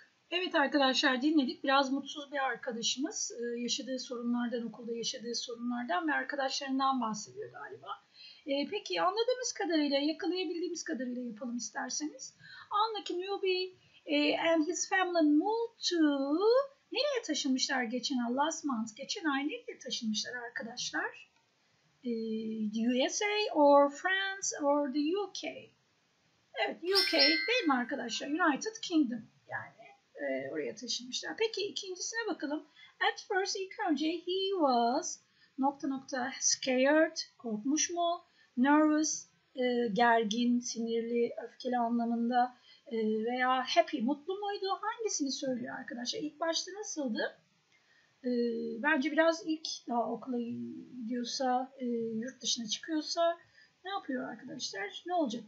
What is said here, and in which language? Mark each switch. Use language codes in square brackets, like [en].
[tr] Evet arkadaşlar, dinledik. Biraz mutsuz bir arkadaşımız. Yaşadığı sorunlardan, okulda yaşadığı sorunlardan ve arkadaşlarından bahsediyor galiba. Peki anladığımız kadarıyla, yakalayabildiğimiz kadarıyla yapalım isterseniz. [en] Unlucky newbie and his family moved to... [tr] Nereye taşınmışlar geçen ay? [en] Last month, [tr] geçen ay nereye taşınmışlar arkadaşlar? [en] USA or France or the UK? [tr] Evet, UK değil mi arkadaşlar? United Kingdom yani. Oraya taşınmışlar. Peki ikincisine bakalım. [en] At first, [tr] ilk önce [en] he was [tr] nokta nokta [en] scared, [tr] korkmuş mu? Nervous, gergin, sinirli, öfkeli anlamında veya happy, mutlu muydu? Hangisini söylüyor arkadaşlar? İlk başta nasıldı? Bence biraz ilk daha okula gidiyorsa, yurt dışına çıkıyorsa ne yapıyor arkadaşlar? Ne olacak?